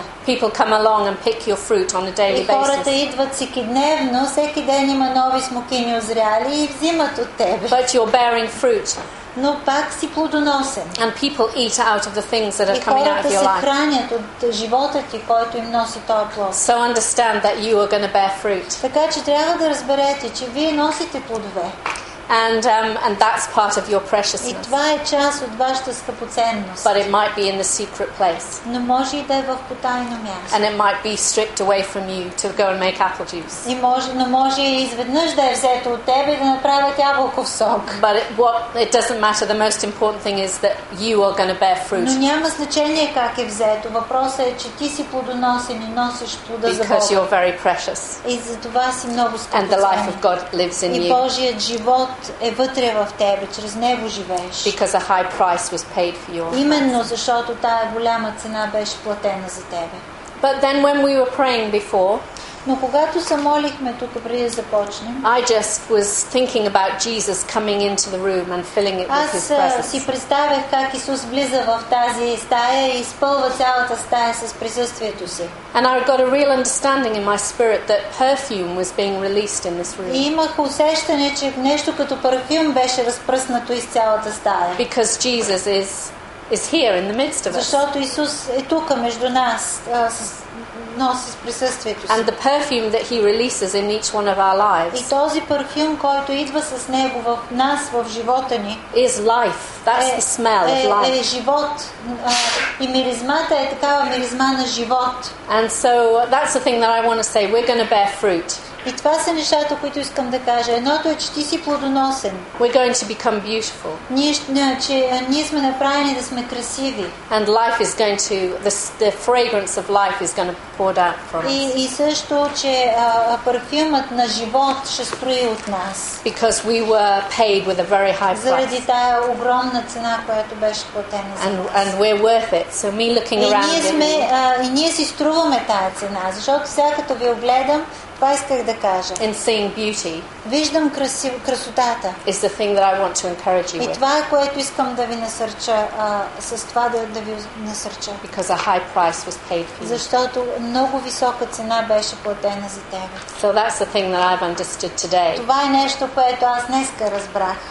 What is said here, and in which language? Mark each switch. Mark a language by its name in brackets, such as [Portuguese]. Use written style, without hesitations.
[English] people come along and pick your fruit on a daily basis. [Bulgarian] Хората идват всекидневно, всеки ден има нови смокини озряли и взимат от тебе. [English] But you're bearing fruit. [Bulgarian] Но пак си плодоносен. [English] And people eat out of the things that are coming out of your life. [Bulgarian] И хората се хранят от живота ти, който им носи този плод. [English] So understand that you are going to bear fruit. [Bulgarian] Така че трябва да разберете, че вие носите плодове. [English] And that's part of your preciousness. [Bulgarian] И това е част от вашата скъпоценност. [English] But it might be in the secret place. [Bulgarian] Но може да е в потайно място. [English] And it might be stripped away from you to go and make apple juice. [Bulgarian] И може изведнъж да е взето от тебе да направят ябълков сок. [English] But it doesn't matter. The most important thing is that you are going to bear fruit. [Bulgarian] Но няма значение как е взето. Въпросът е, че ти си плодоносен и носиш плода за Бога. [English] Because you're very precious. [Bulgarian] И затова си много скъпоценен. [English] And the life of God lives in you. [Bulgarian] И Божият живот е вътре в тебе, чрез него живееш. [English] Because a high price was paid for your. [Bulgarian] Именно защото тая голяма цена беше платена за тебе. [English] But then when we were praying before, [Bulgarian] но когато се молихме тук преди да започнем, [English] I just was thinking about Jesus coming into the room and filling it with his presence. [Bulgarian] Аз си представях как Исус влиза в тази стая и изпълва цялата стая с присъствието си. [English] And I got a real understanding in my spirit that perfume was being released in this room. [Bulgarian] И имах усещане, че нещо като парфюм беше разпръснато из цялата стая. [English] Because Jesus is here in the midst of us. [Bulgarian] Защото Исус е тук между нас. [English] And the perfume that he releases in each one of our lives. [Bulgarian] И този парфюм, който идва с него в нас, в живота ни, [English] is life. That's the smell of life. [Bulgarian] Е живот. И миризмата е такава миризма на живот. [English] And so that's the thing that I want to say. We're going to bear fruit. [Bulgarian] И това са нещата, които искам да кажа. Едното е, че ти си плодоносен. [English] We're going to become beautiful. [Bulgarian] Ние сме направени да сме красиви. [English] And life is going to the fragrance of life is going to pour out from us. [Bulgarian] И също, че парфюмът на живот ще струи от нас. [English] Because we were paid with a very high price. [Bulgarian] Заради тая огромна цена, която беше платена за нас. [English] And we're worth it. So me looking around. [Bulgarian] И ние си струваме тая цена, защото всякато ви огледам. [English] In seeing beauty, [Bulgarian] виждам красотата. [English] Is the thing that I want to encourage you with. [Bulgarian] И това, което искам да ви насърча, с това да ви насърча. [English] Because a high price was paid for you. [Bulgarian] Защото много висока цена беше платена за тебе. [English] So that's the thing that I've understood today. [Bulgarian] Това е нещо, което аз днеска разбрах.